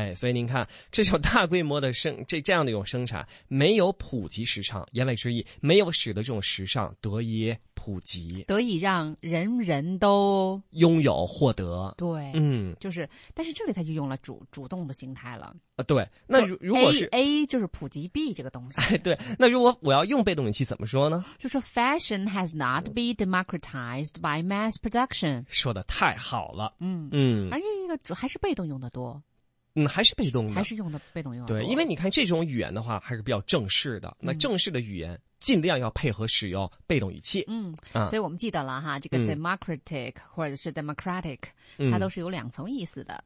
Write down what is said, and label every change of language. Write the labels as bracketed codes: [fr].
[zh] 哎，所以您看，这种大规模的这样的一种生产没有普及时尚，言外之意没有使得这种时尚得以普及，得以让人人都拥有获得。对，就是，但是这里他就用了主动的形态了。对，那如果是 A 就是普及 B 这个东西。哎，对，那如果我要用被动语气怎么说呢？就说 [en] fashion has not been democratized by mass production。 [zh] 说的太好了，而且一个还是被动用的多。还是被动的，还是用的被动用的多。对，因为你看这种语言的话，还是比较正式的。那正式的语言，尽量要配合使用被动语气。所以我们记得了哈，这个 democratic 或者是 democratic， 它都是有两层意思的。